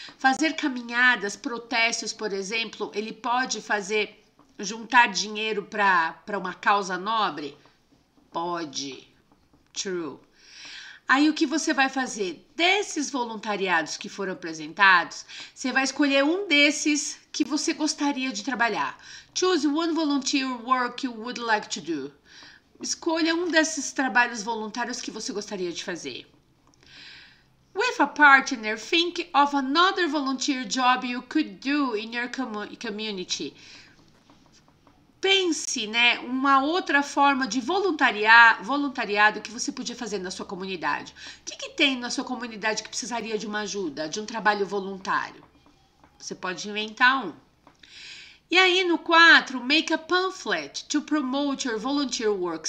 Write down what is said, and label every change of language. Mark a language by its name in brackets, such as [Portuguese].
[Portuguese] Fazer caminhadas, protestos, por exemplo, ele pode fazer juntar dinheiro para uma causa nobre? Pode. [English] True. [Portuguese] Aí o que você vai fazer? Desses voluntariados que foram apresentados, você vai escolher um desses que você gostaria de trabalhar. [English] Choose one volunteer work you would like to do. [Portuguese] Escolha um desses trabalhos voluntários que você gostaria de fazer. [English] With a partner, think of another volunteer job you could do in your community. [Portuguese] Pense, né, uma outra forma de voluntariado que você podia fazer na sua comunidade. O que que tem na sua comunidade que precisaria de uma ajuda, de um trabalho voluntário? Você pode inventar um. E aí, no 4, [English] make a pamphlet to promote your volunteer work.